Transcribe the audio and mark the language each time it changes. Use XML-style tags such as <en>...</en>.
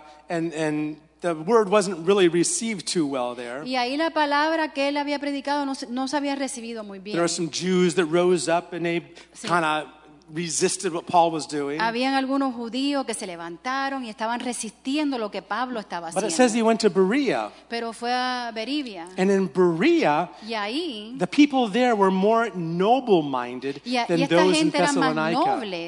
<en>And the word wasn't really received too well there.</en> <es>Y ahí la palabra que él había predicado no se había recibido muy bien.</es> <en>There were some Jews that rose up and they sí. Kind of resisted what Paul was doing.</en> <es>Habían algunos judíos que se levantaron y estaban resistiendo lo que Pablo estaba haciendo.</es> <en>But it says he went to Berea.</en> <es>Pero fue a Berea.</es> <en>And in Berea,</en> <es>y ahí,</es> <en>the people there were more noble-minded than those in Thessalonica.</en>